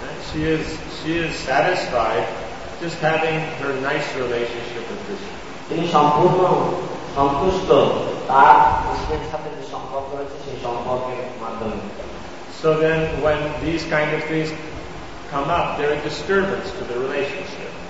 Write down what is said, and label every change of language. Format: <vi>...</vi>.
<en>She is satisfied just having her nice relationship with Krishna.</en> <bn>তিনি সম্পূর্ণ সন্তুষ্ট তার কৃষ্ণের সাথে যে সম্পর্ক রয়েছে সেই সম্পর্কের মাধ্যমে.</bn> <en>So then when these kind of things come up, they're a disturbance to the relationship.</en>